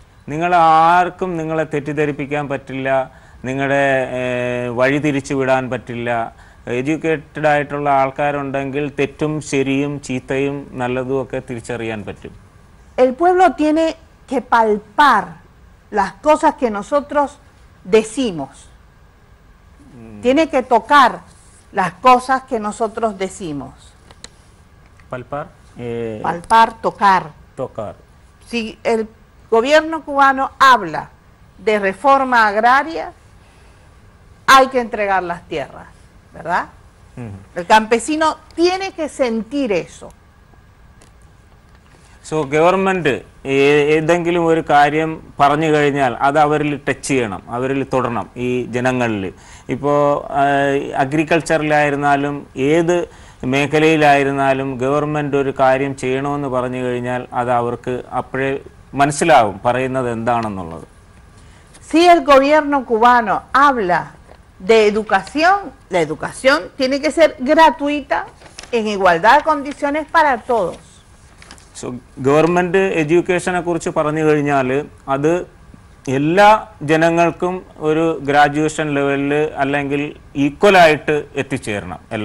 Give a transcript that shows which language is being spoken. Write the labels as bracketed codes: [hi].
[ml] നിങ്ങൾ ആർക്കും നിങ്ങളെ തെറ്റിദ്ധരിപ്പിക്കാൻ പറ്റില്ല നിങ്ങളുടെ വഴി തിരിച്ചു വിടാൻ പറ്റില്ല എഡ്യൂക്കേറ്റഡ് ആയിട്ടുള്ള ആൾക്കാരുണ്ടെങ്കിൽ തെറ്റും ശരിയും ചീത്തയും നല്ലതും ഒക്കെ തിരിച്ചറിയാൻ പറ്റും [es] El pueblo tiene que palpar las cosas que nosotros decimos. Tiene que tocar las cosas que nosotros decimos. Palpar. Palpar, tocar. Tocar. Si el gobierno cubano habla de reforma agraria, hay que entregar las tierras, ¿verdad? Mm. El campesino tiene que sentir eso. [ml] So government ഏതെങ്കിലും ഒരു കാര്യം പറഞ്ഞു കഴിഞ്ഞാൽ അത് അവരിൽ touch ചെയ്യണം അവരിൽ തുടരണം ഈ ജനങ്ങളിൽ ഇപ്പോൾ അഗ്രികൾച്ചറിലായിരുന്നാലും ഏത് മേഖലയിലായിരുന്നാലും ഗവൺമെൻറ് ഒരു കാര്യം ചെയ്യണമെന്ന് പറഞ്ഞു കഴിഞ്ഞാൽ അത് അവർക്ക് അപ്പോഴേ മനസ്സിലാവും പറയുന്നത് എന്താണെന്നുള്ളത് [es] Si el gobierno cubano habla de educación, la educación tiene que ser gratuita en igualdad de condiciones para todos. [ml] So government എഡ്യൂക്കേഷനെ കുറിച്ച് പറഞ്ഞു കഴിഞ്ഞാൽ അത് എല്ലാ ജനങ്ങൾക്കും ഒരു ഗ്രാജുവേഷൻ ലെവലിൽ അല്ലെങ്കിൽ ഈക്വലായിട്ട് എത്തിച്ചേരണം